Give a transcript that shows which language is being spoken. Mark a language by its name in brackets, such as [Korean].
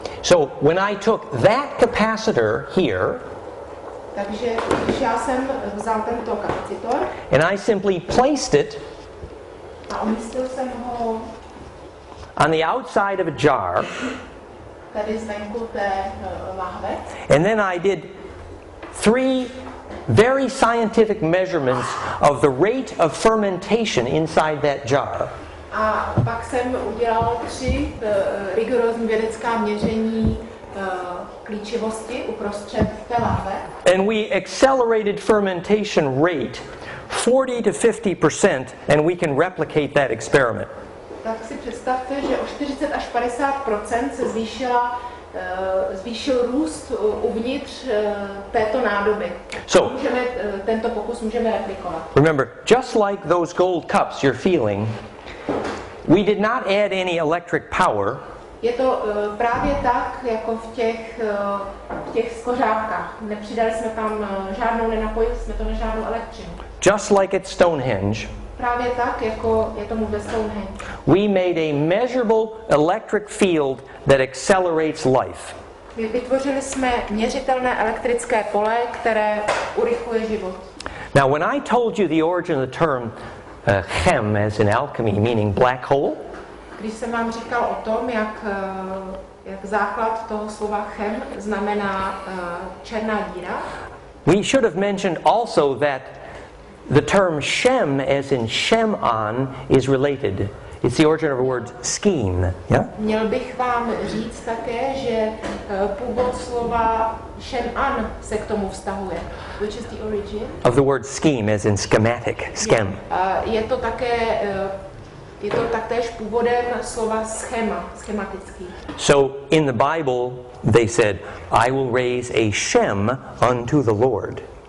[English] So when I took that capacitor here, [Czech] takže když já jsem vzal tento kapacitor, [English] and I simply placed it, [Czech] a umístil jsem ho [English] on the outside of a jar, [Czech] tady zvenku té lahve, [English] and then I did 3 very scientific measurements of the rate of fermentation inside that jar. [Czech] A pak jsem udělal 3 rigorózní vědecká měření klíčivosti uprostřed té lahve. [English] And we accelerated fermentation rate 40-50%, and we can replicate that experiment. [Czech] Tak si představte, že o 40-50% se zvýšila zvýšil růst uvnitř této nádoby. [English] So, [Czech] můžeme, tento pokus můžeme replikovat. [English] Remember, just like those gold cups you're feeling, we did not add any electric power. [Czech] Je to právě tak, jako v těch skořápkách. Nepřidali jsme tam žádnou, nenapojili jsme to na žádnou elektřinu. [English] Just like at Stonehenge, [Czech] právě tak, jako je tomu ve Stonehenge. [English] We made a measurable electric field that accelerates life. [Czech] Vytvořili jsme měřitelné elektrické pole, které urychluje život. [English] Now, when I told you the origin of the term chem, as in alchemy, meaning black hole, [Czech] když jsem vám říkal o tom, jak základ toho slova chem znamená černá díra, [English] we should have mentioned also that the term shem, as in shem-on, is related. It's the origin of the word scheme. Yeah? [Czech] Měl bych vám říct také, že původ slova shem-on se k tomu vztahuje. [English] Which is the origin? Of the word scheme, as in schematic, schem. [Czech] Je to také Je to taktéž původem slova schéma, schematický. [English] So in the Bible they said, I will raise a Shem unto the Lord.